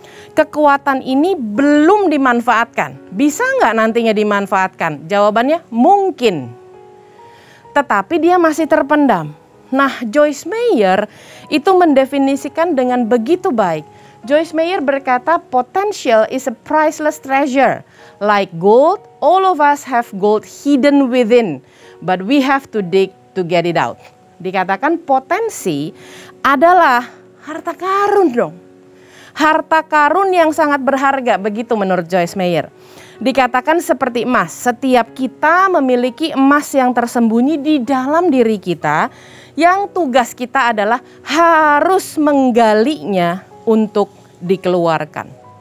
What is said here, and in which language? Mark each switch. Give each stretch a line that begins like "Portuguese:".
Indonesian: Kekuatan ini belum dimanfaatkan. Bisa nggak nantinya dimanfaatkan? Jawabannya mungkin. Tetapi dia masih terpendam. Nah, Joyce Meyer itu mendefinisikan dengan begitu baik. Joyce Meyer berkata,
English: potential is a priceless treasure. Like gold, all of us have gold hidden within, but we have to dig to get it out.
Indonesian: Dikatakan potensi adalah harta karun dong. Harta karun yang sangat berharga, begitu menurut Joyce Meyer. Dikatakan seperti emas, setiap kita memiliki emas yang tersembunyi di dalam diri kita, yang tugas kita adalah harus menggalinya untuk dikeluarkan.